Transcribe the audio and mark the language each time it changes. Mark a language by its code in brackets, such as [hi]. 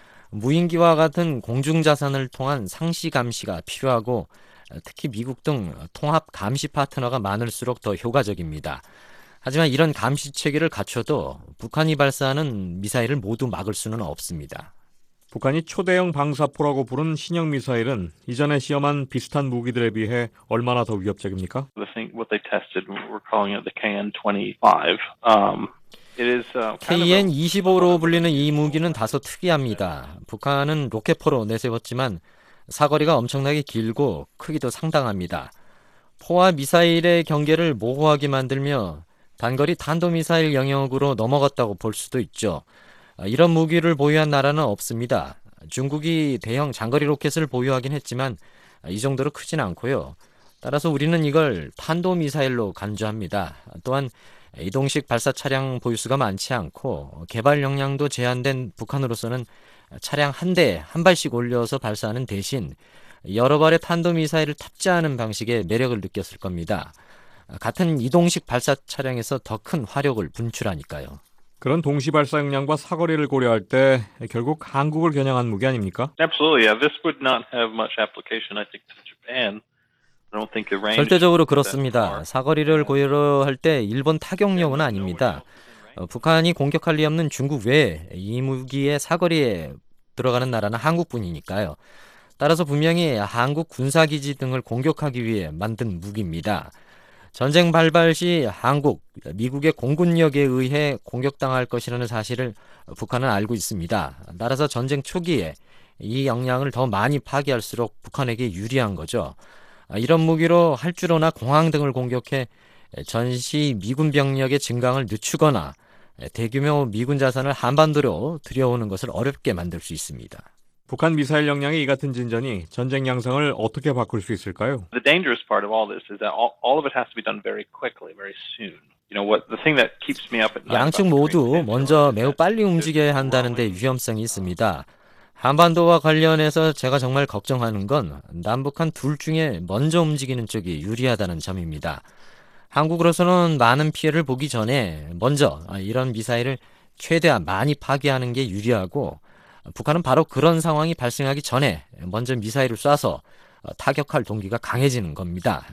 [ko] 무인기와 같은 공중 자산을 통한 상시 감시가 필요하고 특히 미국 등 통합 감시 파트너가 많을수록 더 효과적입니다. 하지만 이런 감시 체계를 갖춰도 북한이 발사하는 미사일을 모두 막을 수는 없습니다. 북한이 초대형 방사포라고 부른 신형 미사일은 이전에 시험한 비슷한 무기들에 비해 얼마나 더 위협적입니까? [en] I think what they tested, we're calling it the KN-25. [ko] KN-25로 불리는 이 무기는 다소 특이합니다. 북한은 로켓포로 내세웠지만 사거리가 엄청나게 길고 크기도 상당합니다. 포와 미사일의 경계를 모호하게 만들며 단거리 탄도미사일 영역으로 넘어갔다고 볼 수도 있죠. 이런 무기를 보유한 나라는 없습니다. 중국이 대형 장거리 로켓을 보유하긴 했지만 이 정도로 크진 않고요. 따라서 우리는 이걸 탄도미사일로 간주합니다. 또한 이동식 발사 차량 보유수가 많지 않고 개발 역량도 제한된 북한으로서는 차량 한 대, 한 발씩 올려서 발사하는 대신 여러 발의 탄도미사일을 탑재하는 방식의 매력을 느꼈을 겁니다. 같은 이동식 발사 차량에서 더 큰 화력을 분출하니까요. 그런 동시 발사 역량과 사거리를 고려할 때 결국 한국을 겨냥한 무기 아닙니까? [en] Absolutely. Yeah. This would not have much application, I think, to Japan. I don't think the range. [ko] 절대적으로 그렇습니다. 사거리를 고려할 때 일본 타격용은 아닙니다. 북한이 공격할 리 없는 중국 외에 이 무기의 사거리에 들어가는 나라는 한국뿐이니까요. 따라서 분명히 한국 군사 기지 등을 공격하기 위해 만든 무기입니다. 전쟁 발발 시 한국, 미국의 공군력에 의해 공격당할 것이라는 사실을 북한은 알고 있습니다. 따라서 전쟁 초기에 이 역량을 더 많이 파괴할수록 북한에게 유리한 거죠. 이런 무기로 활주로나 공항 등을 공격해 전시 미군 병력의 증강을 늦추거나 대규모 미군 자산을 한반도로 들여오는 것을 어렵게 만들 수 있습니다. 북한 미사일 역량의 이 같은 진전이 전쟁 양상을 어떻게 바꿀 수 있을까요? [en] The dangerous part of all this is that all of it has to be done very quickly, very soon. You know, what the thing that keeps me up at night. [ko] 양측 모두 먼저 매우 빨리 움직여야 한다는 데 위험성이 있습니다. 한반도와 관련해서 제가 정말 걱정하는 건 남북한 둘 중에 먼저 움직이는 쪽이 유리하다는 점입니다. 한국으로서는 많은 피해를 보기 전에 먼저 이런 미사일을 최대한 많이 파괴하는 게 유리하고 북한은 바로 그런 상황이 발생하기 전에 먼저 미사일을 쏴서 타격할 동기가 강해지는 겁니다.